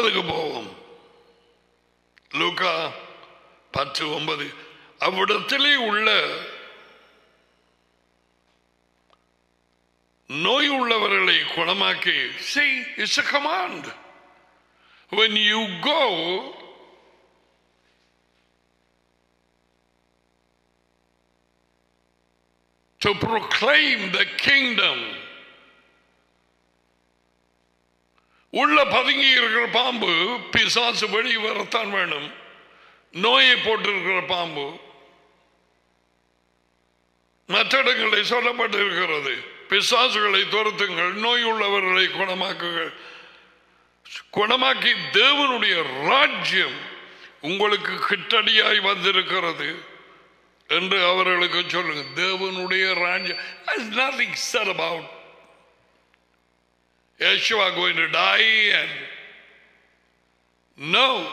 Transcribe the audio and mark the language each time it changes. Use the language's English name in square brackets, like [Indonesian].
[Tamil] போவோம் லூக்கா 10:9. அவ்விடத்திலே உள்ள நோய் உள்ளவர்களை குணமாக்கி [English] see, it's a command. When you go, to proclaim the kingdom. [Tamil] உள்ள பதுங்கி இருக்கிற பாம்பு பிசாசு வெளியே வரத்தான் வேணும். நோயை போட்டிருக்கிற பாம்பு மற்ற இடங்களில் சொல்லப்பட்டிருக்கிறது, பிசாசுகளை துரத்துங்கள், நோய் உள்ளவர்களை குணமாக்குங்கள். குணமாக்கி தேவனுடைய ராஜ்யம் உங்களுக்கு கிட்டடியாய் வந்திருக்கிறது என்று அவர்களுக்கு சொல்லுங்க. தேவனுடைய ராஜ்யம் [English] has nothing said about Yeshua going to die and no.